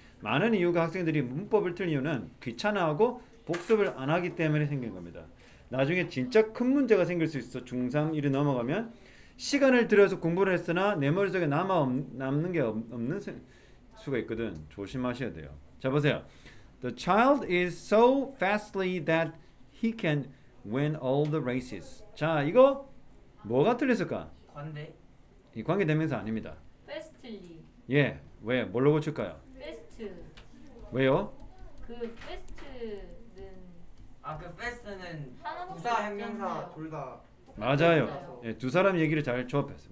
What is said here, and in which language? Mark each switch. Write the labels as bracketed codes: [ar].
[ko] 많은 이유가 학생들이 문법을 틀 이유는 귀찮아하고 복습을 안 하기 때문에 생긴 겁니다. 나중에 진짜 큰 문제가 생길 수 있어. 중3 이리 넘어가면 시간을 들여서 공부를 했으나 내 머릿속에 남는 게 없는 수가 있거든. 조심하셔야 돼요. 자, 보세요. [en] The child is so fastly that he can win all the races. [ko] 자, 이거 뭐가 틀렸을까? 관대 이 관계 대명사 아닙니다. [en] Fastly [ko] 예, 왜? 뭘로 고칠까요? [en] Fast [ko] 왜요? 그 Fast는 아, 그 Fast는 하나밖에 부사 없잖아요. 형용사 둘다 맞아요. 똑같았어요. 예, 두 사람 얘기를 잘 조합했어요.